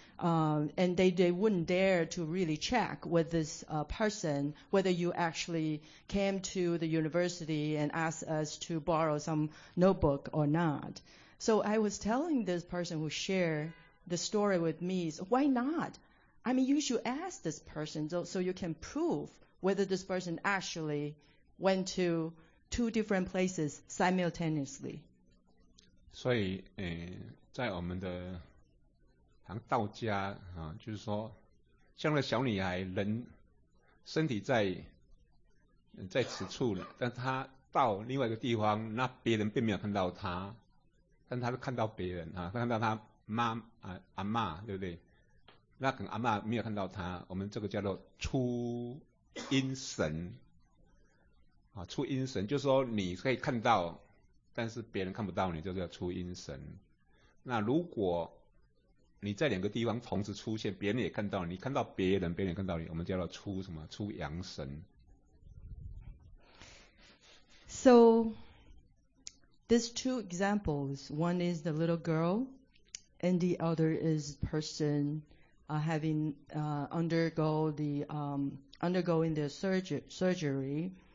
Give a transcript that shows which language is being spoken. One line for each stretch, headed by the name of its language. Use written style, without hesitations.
English: And they wouldn't dare to really check with this person whether you actually came to the university and asked us to borrow some notebook or not. So I was telling this person who shared the story with me is, why not? I mean, you should ask this person so you can prove whether this person actually went to two different places simultaneously.
Chinese: 所以在我们的像道家就是说像那小女孩人身体在此处，但她到另外一个地方，那别人并没有看到她，但她看到别人看到她妈阿嬷，对不对？那可能阿嬷没有看到他，我们这个叫做初阴神。啊，初阴神就是说你可以看到，但是别人看不到你，就叫初阴神。那如果你在两个地方同时出现，别人也看到你，看到别人，别人也看到你，我们叫做初什么？初阳神。
English: So, these two examples, one is the little girl, and the other is person undergoing the surgery.